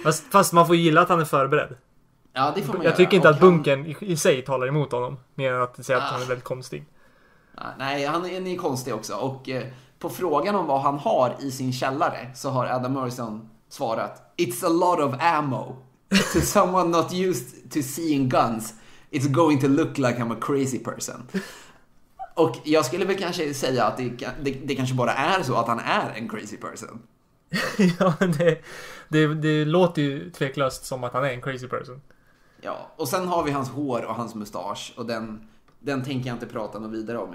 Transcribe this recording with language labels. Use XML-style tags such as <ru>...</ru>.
<sv>Fast man får gilla att han är förberedd. Ja, det får man. Jag tycker inte att bunken i sig talar emot honom, mer än att säga att han är väldigt konstig. Nej, han är konstig också. Och på frågan om vad han har i sin källare så har Adam Morrison svarat:</sv> <en>"It's a lot of ammo. To someone not used to seeing guns, it's going to look like I'm a crazy person."</en> <sv>Och jag skulle väl kanske säga att det kanske bara är så att han är en</sv> <en>crazy person.</en> <sv>Ja, det låter ju tveklöst som att han är en</sv> <en>crazy person.</en> <sv>Ja, och sen har vi hans hår och hans mustasch. Och den tänker jag inte prata något vidare om.</sv>